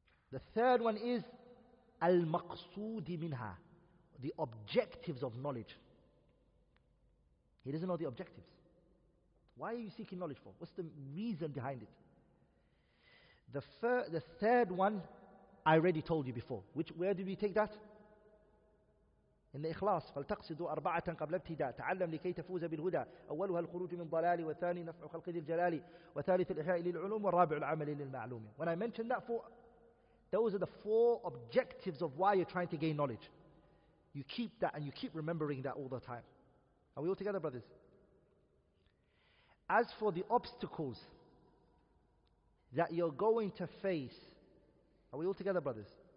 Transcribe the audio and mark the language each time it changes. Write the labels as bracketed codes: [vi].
[en] The third one is المقصود منها, the objectives of knowledge. He doesn't know the objectives. Why are you seeking knowledge for? What's the reason behind it? The third one, I already told you before. Where did we take that? [ar] In the إخلاص فلتقصدوا أربعة قبل ابتداء تعلم لكي تفوز بالهدى أولها الخروج من ضلالي والثاني نفع خلق ذي الجلال وثالث الإحياء للعلوم والرابع العمل للمعلوم. [en] When I mentioned that, for those are the four objectives of why you're trying to gain knowledge. You keep that and you keep remembering that all the time. Are we all together, brothers? As for the obstacles that you're going to face, are we all together, brothers?